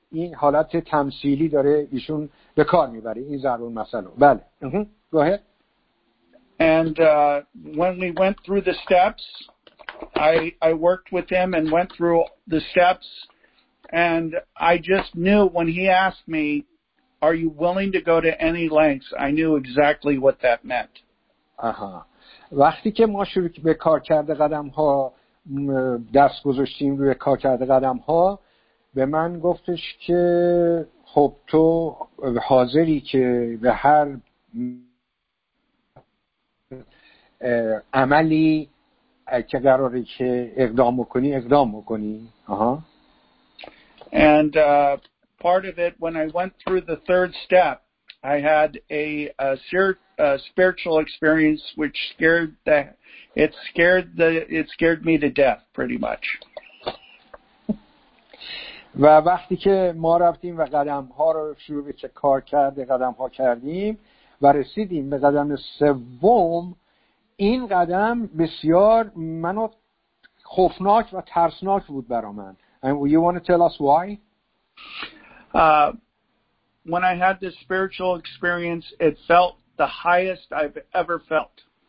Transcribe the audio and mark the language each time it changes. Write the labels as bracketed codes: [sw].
[fa] این حالت تمثیلی داره ایشون به کار میبره این ضرب المثل رو. [en] بله. Go ahead. And when we went through the steps, I worked with him and went through the steps, and I just knew when he asked me, "Are you willing to go to any lengths?" I knew exactly what that meant. Aha. [fa] وقتی که ما شروع به کار کرده قدم ها دست گذاشتیم روی کار کرده قدم ها به من گفتش که خب تو حاضری که به هر عملی که قراره که اقدام بکنی اقدام بکنی. [en] And part of it when I went through the third step I had a spiritual experience which scared me to death pretty much. [fa] و وقتی که ما رفتیم و قدم ها رو شروع به چه کار کرده قدم ها کردیم و رسیدیم به قدم سوم این قدم بسیار منو خوفناک و ترسناک بود برا من. [en] You want to tell us why? When I had this spiritual experience, it felt the highest I've ever felt.